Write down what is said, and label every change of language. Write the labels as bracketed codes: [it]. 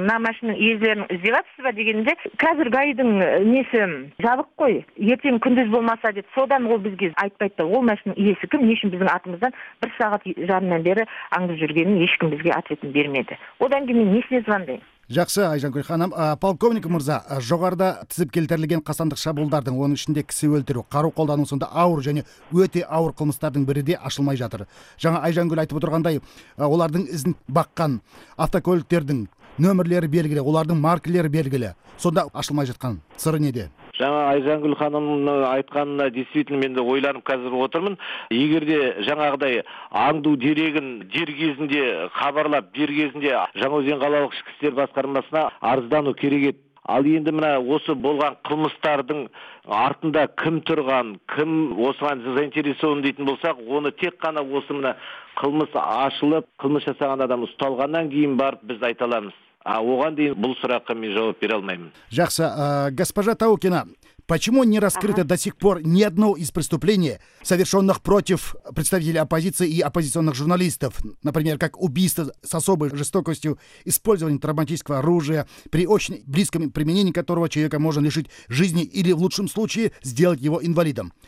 [ky] Мына машинанын ээлерин издеп атасыз ба дегенде, казыр гайдын неси жабык кой. Эртең күндүз болмаса деп содан ол бизге айтпайт да. Ол машинанын ээси ким? Эмне үчүн биздин атыбыздан 1 саат жарымдан бери аңдып жүргөнүн эч ким бизге ответин бермеди. Одан кийин мен эмнесине звондайм? [kk] Жақсы, Айжанкүл ханым. Полковник мырза, жоғарыда тізіп келтірілген қасандық шабуылдардың, оның ішінде кісі өлтіру, қару қолдану сынды ауыр және өте ауыр қылмыстардың бірі де ашылмай жатыр. Жаңа Айжанкүл айтып отырғандай, олардың ізін баққан автокөліктердің нөмірлері белгілі, олардың маркалары белгілі. Сонда ашылмай жатқан сыры неде? Жаңа Айжанкүл ханымның айтқанына действительно мен де ойланып қазір отырмын. Егер де жаңағыдай аңду дерегін дер кезінде хабарлап, дер кезінде Жаңаөзен қалалық ішкі істер басқармасына арыздану керек еді. Ал енді мына осы болған қылмыстардың артында кім тұрған, кім осыған заинтересован дейтін болсақ, оны тек қана осы мына қылмыс ашылып, қылмыс жасаған адам ұсталғаннан кейін барып біз айта аламыз. Оған дейін бұл сұраққа мен жауап бере алмаймын. Жақсы, [ru] госпожа Таукина, почему не раскрыто до сих пор ни одно из преступлений, совершенных против представителей оппозиции и оппозиционных журналистов? Например, как убийство с особой жестокостью, использование травматического оружия, при очень близком применении которого человека можно лишить жизни или в лучшем случае сделать его инвалидом.